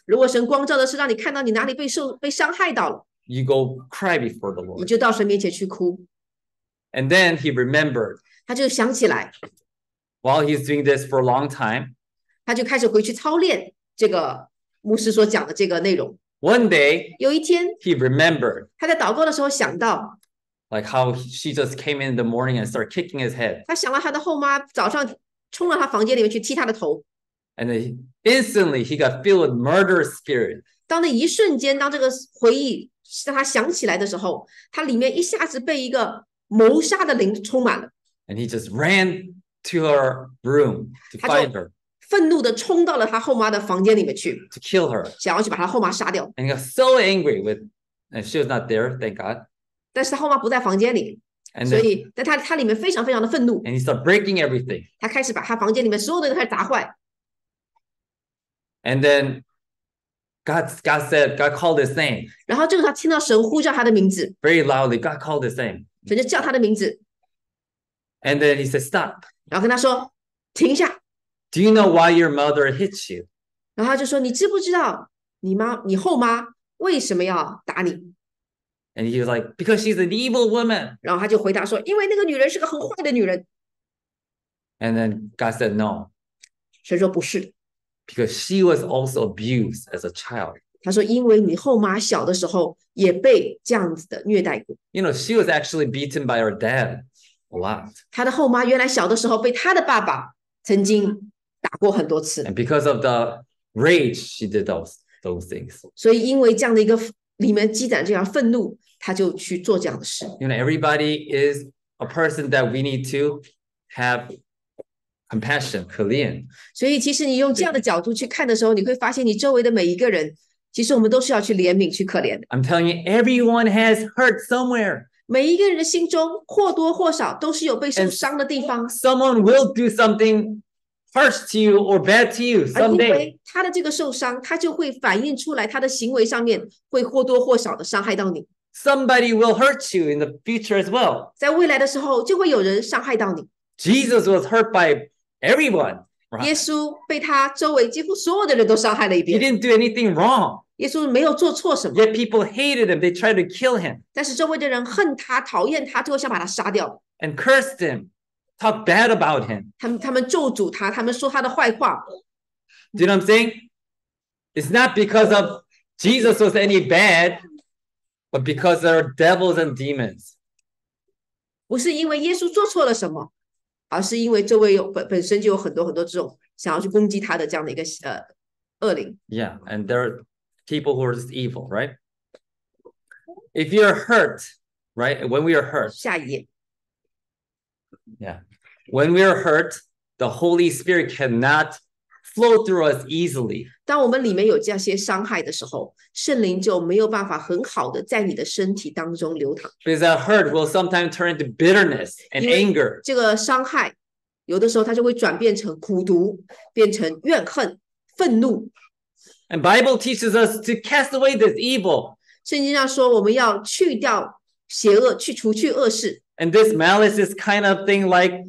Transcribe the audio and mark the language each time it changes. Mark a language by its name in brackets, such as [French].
[Chinese] 如果神光照的是让你看到你哪里被伤害到了 [English] ，you go cry before the Lord. [Chinese] 你就到神面前去哭。 [English] And then he remembered. [Chinese] 他就想起来。 [English] While he's doing this for a long time, [Chinese] 他就开始回去操练这个。牧师所讲的这个内容。 [English] One day, [Chinese] 有一天 [English] he remembered. [Chinese] 他在祷告的时候想到 [English] like how she just came in the morning and started kicking his head. [Chinese] 他想到他的后妈早上冲到他房间里面去踢他的头。 [English] And then instantly he got filled with murder spirit. [Chinese] 当那一瞬间，当这个回忆让他想起来的时候，他里面一下子被一个谋杀的灵充满了。 [English] And he just ran to her room to find her. [Chinese] 愤怒地冲到了他后妈的房间里面去 [English] to kill her. [Chinese] 想要去把他后妈杀掉 [English] and he got so angry with and she was not there, thank God. [Chinese] 但是他后妈不在房间里 [English] and [Chinese] 所以 [English] then, [Chinese] 但他里面非常非常的愤怒 [English] and he started breaking everything. [Chinese] 他开始把他房间里面所有的东西开始砸坏 [English] and then God called his name. [Chinese] 然后这个时候他听到神呼叫他的名字 [English] very loudly, God called his name. [Chinese] 神就叫他的名字 [English] and then he said, stop. [Chinese] 然后跟他说停下 [English] Do you know why your mother hits you? [Chinese] 然后他就说，你知不知道你后妈为什么要打你？ [English] And he was like, because she's an evil woman. [Chinese] 然后他就回答说, [English] and then God said, no. [Chinese] 神说不是, [English] because she was also abused as a child. [Chinese] 他说, [English] you know, she was actually beaten by her dad a lot. And because of the rage, she did those things. [Chinese] 所以因为这样的一个, 里面积攒这样愤怒, 他就去做这样的事。 [English] You know, everybody is a person that we need to have compassion, kalian. [Chinese] 所以其实你用这样的角度去看的时候, 你会发现你周围的每一个人, 其实我们都是要去怜悯, 去可怜的。 [English] I'm telling you, everyone has hurt somewhere. [Chinese] 每一个人的心中, 或多或少, 都是有被受伤的地方。 [English] And someone will do something harsh to you or bad to you someday. [Chinese] 而因为他的这个受伤, 他就会反映出来他的行为上面, 会或多或少的伤害到你。 [English] Somebody will hurt you in the future as well. [Chinese] 在未来的时候, 就会有人伤害到你。 [English] Jesus was hurt by everyone. Right? [Chinese] 耶稣被他周围几乎所有的人都伤害了一遍。 [English] He didn't do anything wrong. [Chinese] 耶稣没有做错什么。 [English] Yet people hated him. They tried to kill him. [Chinese] 但是周围的人恨他, 讨厌他, 最后想把他杀掉。 [English] And cursed him. Talk bad about him. [Chinese] 他们咒诅他, 他们说他的坏话。 [English] Do you know what I'm saying? It's not because of Jesus was any bad, but because there are devils and demons. [Chinese] 不是因为耶稣做错了什么, 而是因为周围有, 本身就有很多很多这种想要去攻击他的这样的一个, 恶灵。 [English] Yeah, and there are people who are just evil, right? If you're hurt, right? When we are hurt. [Chinese] 下一页。 [English] Yeah. When we are hurt, the Holy Spirit cannot flow through us easily. [Chinese] 当我们里面有这些伤害的时候, 圣灵就没有办法很好的在你的身体当中流淌。 [English] Because that hurt will sometimes turn into bitterness and anger. [Chinese] 这个伤害, 有的时候它就会转变成苦毒, 变成怨恨, 愤怒。 [English] And Bible teaches us to cast away this evil. [Chinese] 圣经上说我们要去掉邪恶, 去除去恶事。 [English] And this malice is kind of thing like,